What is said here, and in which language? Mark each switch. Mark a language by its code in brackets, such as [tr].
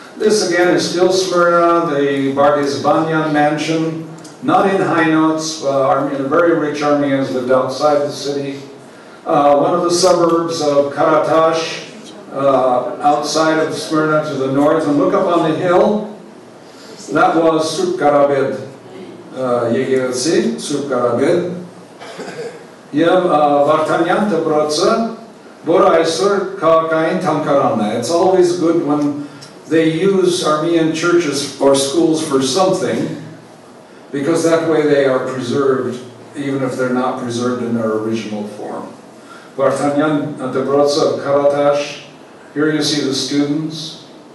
[en] This again is still Smyrna, the Bardizbanyan mansion, not in Hainots. Very rich Armenians lived outside the city. One of the suburbs of Karataş, outside of Smyrna to the north. And look up on the hill, that was Surkarabed. Yegevtsi, Surkarabed. [hy] Եվ Վարդանյան դպրոցը, որ այսօր քաղաքային թանգարանն է. [en] It's always good when they use Armenian churches or schools for something, because that way they are preserved, even if they're not preserved in their original form. Vartanyan Debrotsa of Karataş. Here you see the students.